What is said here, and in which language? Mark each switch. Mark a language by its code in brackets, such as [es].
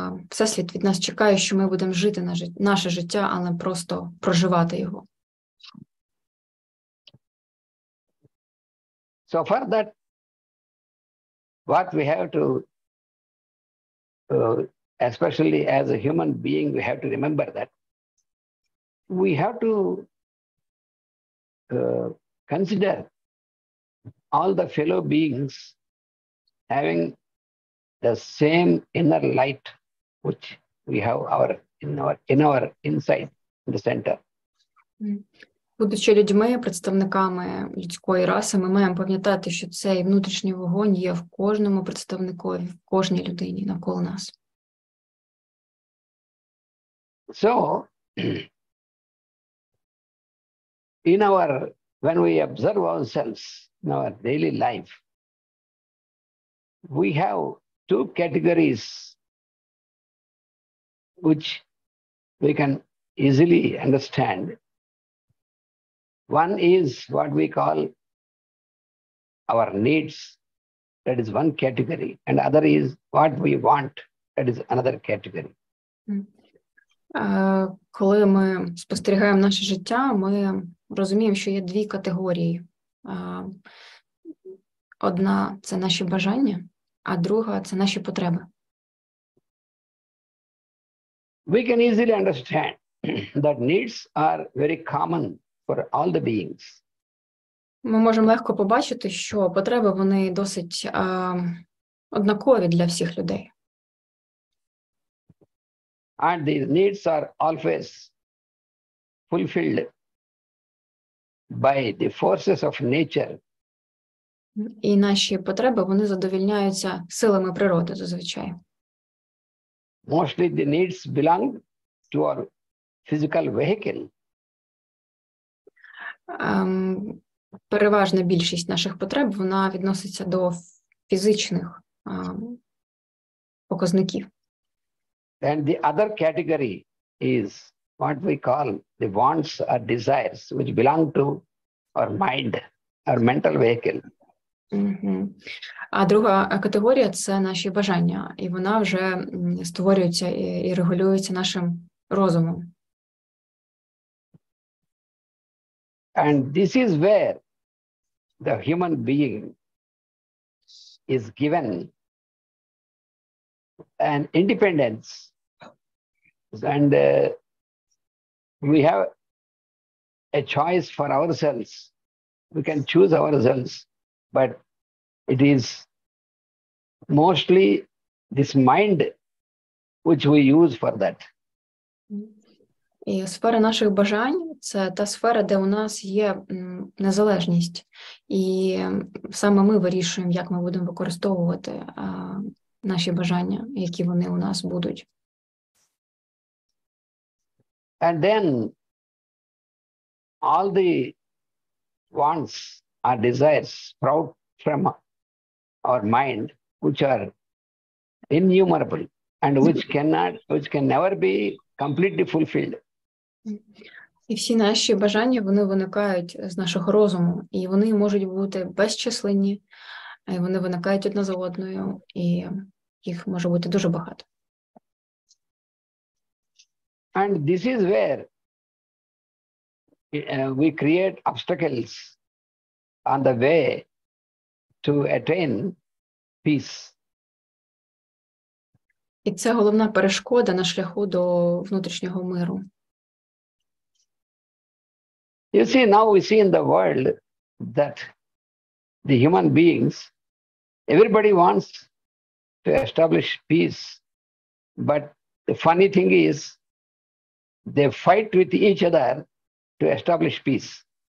[uk] Всесвіт від нас чекає, що ми будемо жити наше життя, але просто проживати його. [en] So for that, what we have to, especially as a human being, we have to remember that. We have to consider all the fellow beings having the same inner light which we have in our inside, in the center. [uk] Будучи людьми, представниками людської раси, ми маємо пам'ятати, що цей внутрішній вогонь є в кожному представнику, в кожній людині навколо нас. [en] So, in our, when we observe ourselves in our daily life, we have two categories which we can easily understand. One is what we call our needs, that is one category, and other is what we want, that is another category. [uk] Коли ми спостерігаємо наше життя, ми розуміємо, що є дві категорії. Одна – це наші бажання, а друга – це наші потреби. [en] We can easily understand that needs are very common for all the beings. [uk] Ми можемо легко побачити, що потреби, вони досить однакові для всіх людей. [en] And these needs are always fulfilled by the forces of nature. [uk] І наші потреби, вони задовольняються силами природи зазвичай. [en] Mostly the needs belong to our physical vehicle. [uk] Переважна більшість наших потреб, вона відноситься до фізичних показників. [en] And the other category is what we call the wants or desires, which belong to our mind, our mental vehicle. [uk] А друга категорія – це наші бажання, і вона вже створюється і регулюється нашим розумом. [en] And this is where the human being is given an independence. And we have a choice for ourselves. We can choose ourselves, but it is mostly this mind which we use for that. [uk] І сфера наших бажань – це та сфера, де у нас є незалежність. І саме ми вирішуємо, як ми будемо використовувати наші бажання, які вони у нас будуть. [en] And then all the wants or desires sprout from our mind, which are innumerable and which can never be completely fulfilled. [uk] І всі наші бажання, вони виникають з нашого розуму, і вони можуть бути безчисленні, і вони виникають одна за одною, і їх може бути дуже багато. [en] And this is where we create obstacles on the way to attain peace. [uk] І це головна перешкода на шляху до внутрішнього миру. [en] You see, now we see in the world that the human beings, everybody wants to establish peace. But the funny thing is, they fight with each other to establish peace.